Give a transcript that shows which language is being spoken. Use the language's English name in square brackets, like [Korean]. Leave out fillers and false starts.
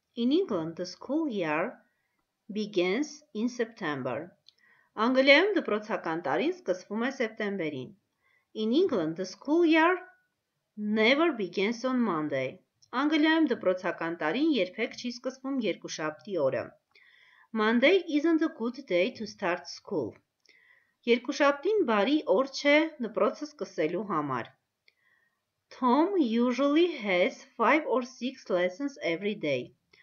[English] In England, the school year begins in September. [Armenian] Անգլիայում դպրոցական տարին սկսվում է սեպտեմբերին. [English] In England, the school year never begins on Monday. [Armenian] Անգլիայում դպրոցական տարին երբեք չի սկսվում երկուշաբթի օրը. [English] Monday isn't a good day to start school. [Armenian] Երկուշաբթին բարի օր չէ դպրոցը սկսելու համար. [English] Tom usually has 5 or 6 lessons every day.